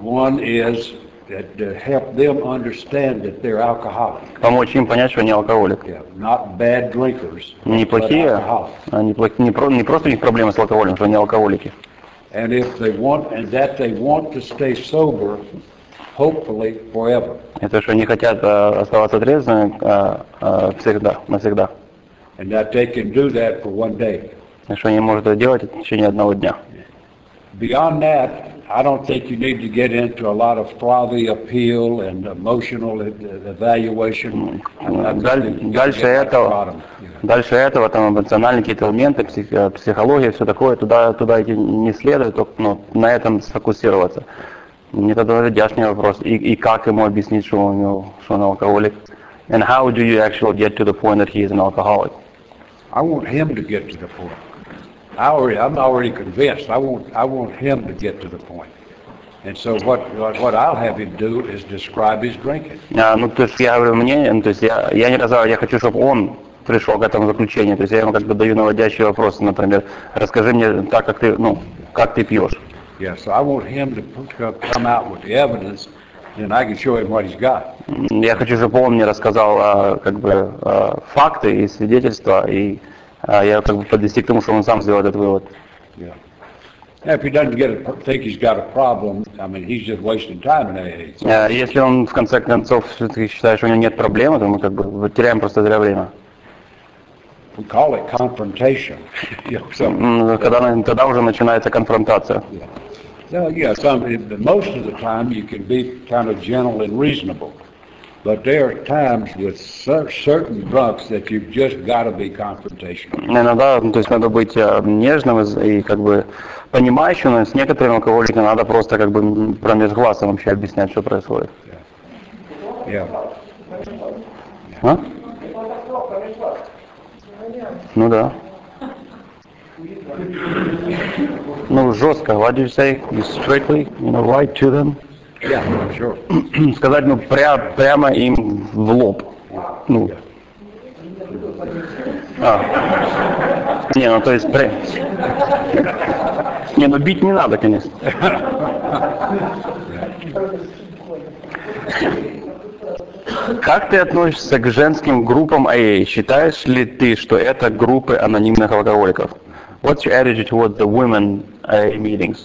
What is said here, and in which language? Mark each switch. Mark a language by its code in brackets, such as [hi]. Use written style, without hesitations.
[en] One is that to help them understand that they're alcoholic. [ru] Помочь им понять, что они алкоголик. [en] Not bad drinkers. [ru] Неплохие. Не просто у них проблемы с алкоголем, что они алкоголики. [en] And if they want, and that they want to stay sober. Hopefully forever. [ru] Это что они хотят оставаться трезвыми всегда, навсегда. [en] And that they can do that for one day. [ru] И что они могут это делать в течение одного дня. [en] Beyond that, I don't think you need to get into a lot of frothy appeal and emotional evaluation. [ru] Дальше этого там эмоциональные какие-то моменты, психология, все такое, туда идти не следует, только на этом сфокусироваться. Мне тогда задешний вопрос, и как ему объяснить, что у него, что он алкоголик? [en] And how do you actually get to the point that he is an alcoholic? I want him to get to the point. I'm already convinced. I want him to get to the point. And so what I'll have him do is describe his drinking. [ru] Я хочу, чтобы он пришел к этому заключению. То есть я ему как бы даю наводящие вопросы, например, расскажи мне так, как ты, как ты пьешь. [en] Yeah, so I want him to come out with the evidence, then I can show him what he's got. [ru] Я хочу, чтобы он мне рассказал факты и свидетельства, и я как бы подвести к тому, что он сам сделал этот вывод. [en] Yeah. If he doesn't think he's got a problem, I mean, he's just wasting time in AA. [ru] Если он в конце концов считает, что у него нет проблемы, то мы как бы теряем просто зря время. [en] We call it confrontation. [ru] Тогда уже начинается конфронтация. [en] Most of the time you can be kind of gentle and reasonable, but there are times with certain drugs that you've just got to be confrontational. [ru] Иногда, то есть надо быть нежным и как бы понимающим, но с некоторыми алкоголиками надо просто как бы промеж глаз вообще объяснять, что происходит. Ну да. Ну жестко. [en] What do you say? You strictly, right to them? Yeah, sure. [ru] Сказать прямо им в лоб. [en] Yeah. [ru] То есть Не, ну бить не надо, конечно. Как ты относишься к женским группам AA? Считаешь ли ты, что это группы анонимных алкоголиков? [en] What's your attitude towards the women AA meetings?